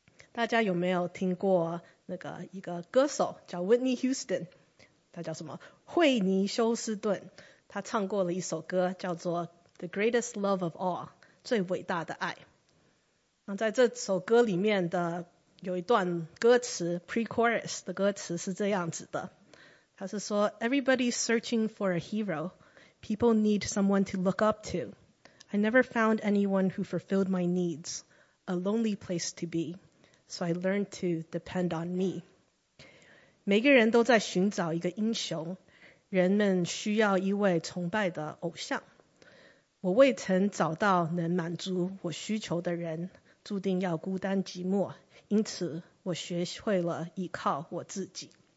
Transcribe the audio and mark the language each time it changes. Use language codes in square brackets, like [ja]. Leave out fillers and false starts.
[zh] 大家有没有听过那个一个歌手叫 Whitney Houston， 他叫什么惠尼休斯顿，他唱过了一首歌叫做 The Greatest Love of All， 最伟大的爱。那在这首歌里面的有一段歌词 pre-chorus 的歌词是这样子的，他是说 [en] Everybody's searching for a hero. People need someone to look up to. I never found anyone who fulfilled my needs. A lonely place to be. So I learned to depend on me. [zh] 每个人都在寻找一个英雄，人们需要一位崇拜的偶像。我未曾找到能满足我需求的人，注定要孤单寂寞，因此我学会了依靠我自己。